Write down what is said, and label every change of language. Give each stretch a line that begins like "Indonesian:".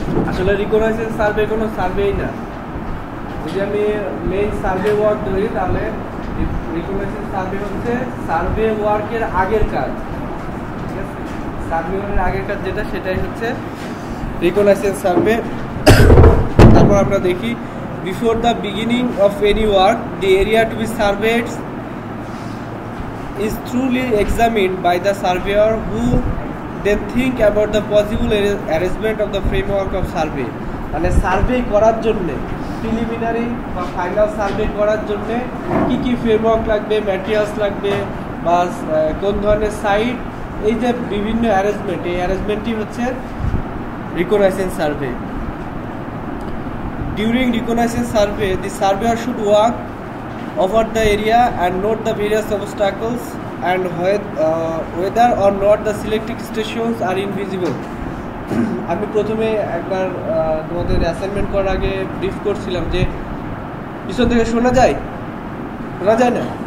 Bangla: আসলে recognition survey কোনো সার্ভেই না। যদি আমি মেইন সার্ভে ওয়ার্ক ধরি তাহলে রিকগনাইজেশন সার্ভে হচ্ছে সার্ভে ওয়ার্কের আগের কাজ, ঠিক আছে? সার্ভে ওয়ার্কের আগের কাজ যেটা সেটাই হচ্ছে রিকগনাইজেশন সার্ভে। তারপর আমরা দেখি
English: Before the beginning of any work the area to be surveyed is truly examined by the surveyor who they think about the possible arrangement of the framework of survey.
Bangla: মানে survey করার জন্য preliminary বা final survey করার জন্য কি কি framework লাগবে, materials লাগবে বা কোন ধরনের সাইট, এই যে বিভিন্ন অ্যারেঞ্জমেন্ট, এই অ্যারেঞ্জমেন্টটি হচ্ছে recognition survey.
English: During recognization survey the surveyor should work over the area and note the various obstacles and whether or not the selected stations are invisible.
Bangla: আমি প্রথমে একবার তোমাদের অ্যাসাইনমেন্ট করার আগে ব্রিফ করছিলাম যে পিছন থেকে শোনা যায়, শোনা যায় না?